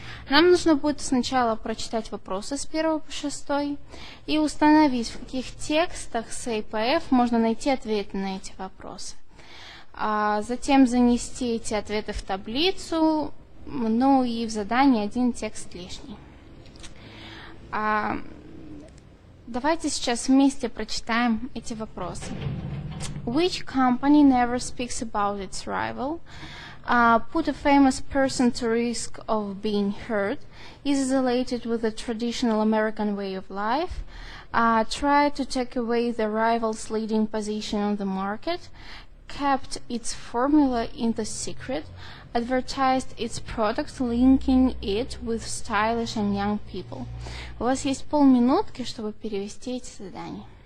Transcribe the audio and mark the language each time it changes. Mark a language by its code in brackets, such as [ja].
[ru] Нам нужно будет сначала прочитать вопросы с 1 по 6 и установить, в каких текстах с АПФ можно найти ответы на эти вопросы. Затем занести эти ответы в таблицу, ну и в задание один текст лишний. Давайте сейчас вместе прочитаем эти вопросы. [en] Which company never speaks about its rival, put a famous person to risk of being hurt, is isolated with a traditional American way of life, tried to take away the rival's leading position on the market, kept its formula in the secret, advertised its product, linking it with stylish and young people? [ru] У вас есть полминутки, чтобы перевести эти задания.